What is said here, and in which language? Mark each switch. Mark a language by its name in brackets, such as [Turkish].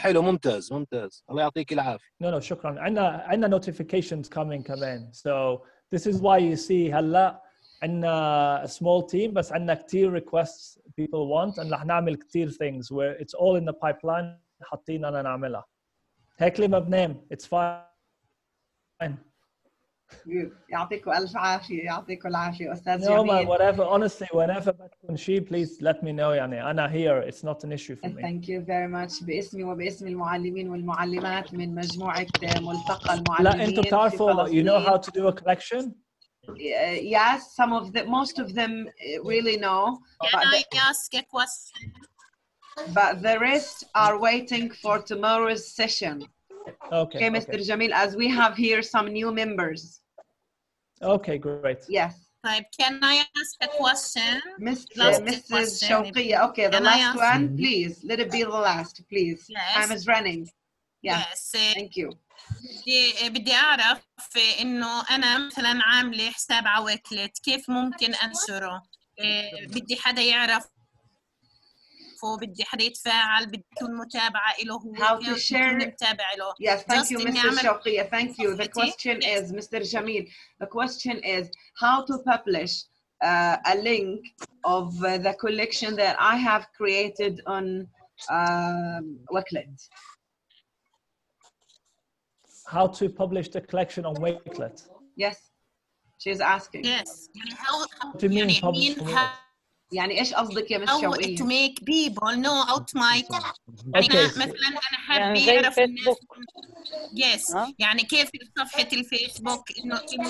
[Arabic] ممتاز الله يعطيك العافيه. [English] No, شكرا. عندنا notifications coming كمان. So this is why you see هلا عندنا a small team بس عندنا كثير requests people want and رح نعمل كثير things where it's all in the pipeline حاطين انا نعملها. [Arabic] هيك لي مبنام it's fine. يعطيكم الف عافيه استاذ جميل. [English] No, man, whatever. Honestly, whenever she please let me know يعني انا here it's not an issue for me. [Arabic] Thank you very much. باسمي وباسم المعلمين والمعلمات من مجموعه ملتقى المعلمين. [English] لا انتوا بتعرفوا you know how to do a collection. Yes, some of the most of them really know. Can I ask a question? But the rest are waiting for tomorrow's session. Okay Mr. Jamil, as we have here some new members. Okay great. Yes. Can I ask a question? Mrs. Shawqiya, okay, the last one, please. Let it be the last, please. Yes. Time is running. Yes. Thank you. [Arabic] بدي أعرف في إنه أنا مثلاً عاملة حساب على ويكلت كيف ممكن أنشره؟ بدي حدا يعرف وبدي حدا يتفاعل بدي يكون متابعة إله هو كيف يكون متابع إله. [English] Yes, thank you, Mr. Shawqiya. Thank you. The question is, Mr. Jamil, the question is how to publish a link of the collection that I have created on Wakelet. how to publish the collection on Wakelet. Yes, she's asking. Yes. What do you mean publish on Wakelet? [Arabic] يعني إيش قصدك يا مس شوقي؟ [English] To make people know out my okay. [Arabic] أنا مثلاً أنا حابي أعرف الناس. [English] Yes. [Arabic] يعني كيف صفحة الفيسبوك إنه